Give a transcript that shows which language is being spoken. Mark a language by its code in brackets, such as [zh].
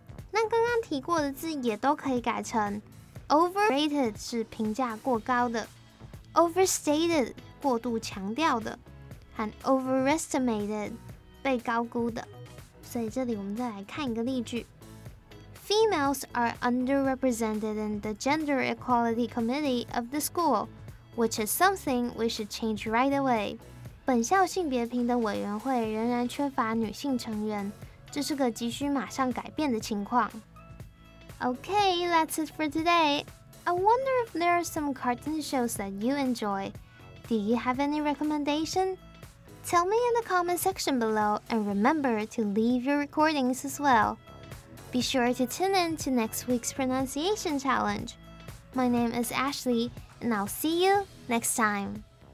[zh] 那刚刚提过的字也都可以改成 overrated 是评价过高的， overstated 过度强调的，和 overestimated 被高估的。所以这里我们再来看一个例句。 [en] Females are underrepresented in the Gender Equality Committee of the school, which is something we should change right away. [zh] 本校性别平等委员会仍然缺乏女性成员，这是个急需马上改变的情况。 [en] Okay, that's it for today. I wonder if there are some cartoon shows that you enjoy. Do you have any recommendation? Tell me in the comment section below and remember to leave your recordings as well. Be sure to tune in to next week's pronunciation challenge. My name is Ashley, and I'll see you next time.